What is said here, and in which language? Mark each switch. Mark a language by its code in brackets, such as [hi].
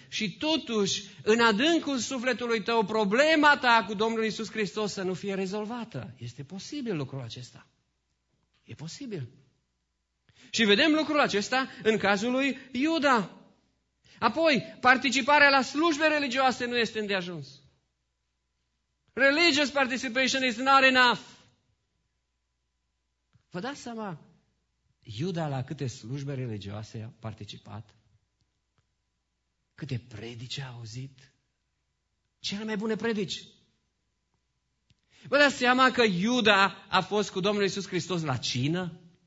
[ro] Și totuși, în adâncul sufletului tău, problema ta cu Domnul Iisus Hristos să nu fie rezolvată. Este posibil lucrul acesta. E posibil. Și vedem lucrul acesta în cazul lui Iuda. Apoi, participarea la slujbe religioase nu este îndeajuns. [en] Religious participation is not enough. [ro] Vă dați seama, Iuda la câte slujbe religioase a participat? Câte predici a auzit? Cele mai bune predici. Vă dați seama că Iuda a fost cu Domnul Iisus Hristos la cină?